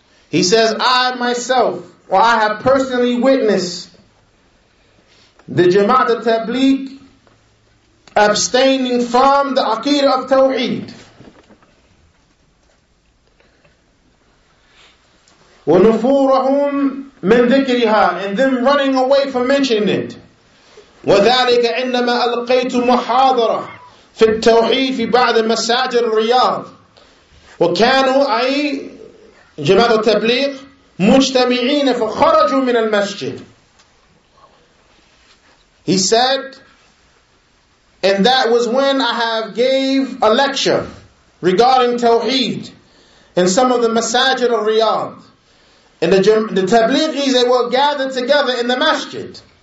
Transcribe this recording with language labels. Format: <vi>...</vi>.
<en>He says, I myself, or I have personally witnessed the جماعة التبليغ abstaining from the عقيدة of التوحيد.</en> <ar>ونفورهم من ذكرها,</ar> <en>and then running away from mentioning it.</en> <ar>وذلك عندما ألقيت محاضرة في التوحيد في بعض مساجد الرياض وكانوا أي جماعة التبليغ مجتمعين فخرجوا من المسجد.</ar> <en>He said, and that was when I have gave a lecture regarding Tawheed in some of the masajid al-Riyadh. And the Tablighis, they were gathered together in the masjid.</en>